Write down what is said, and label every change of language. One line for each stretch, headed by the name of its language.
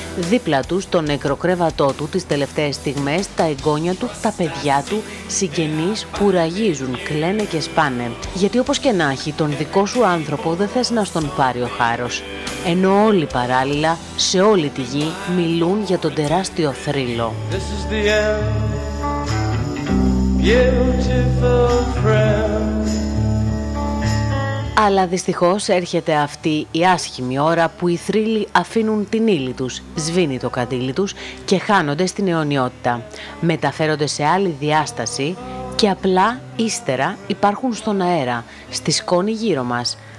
Greek: Δίπλα του, στο νεκροκρέβατό του, τις τελευταίες στιγμές, τα εγγόνια του, τα παιδιά του, συγγενείς που ραγίζουν, κλαίνε και σπάνε. Γιατί όπως και να έχει, τον δικό σου άνθρωπο δεν θες να στον πάρει ο χάρος. Ενώ όλοι παράλληλα, σε όλη τη γη, μιλούν για τον τεράστιο θρύλο.
English: This is the end, beautiful friend.
Greek: Αλλά δυστυχώς έρχεται αυτή η άσχημη ώρα που οι θρύλοι αφήνουν την ύλη τους, σβήνει το καντήλι τους και χάνονται στην αιωνιότητα. Μεταφέρονται σε άλλη διάσταση και απλά ύστερα υπάρχουν στον αέρα, στη σκόνη γύρω μας.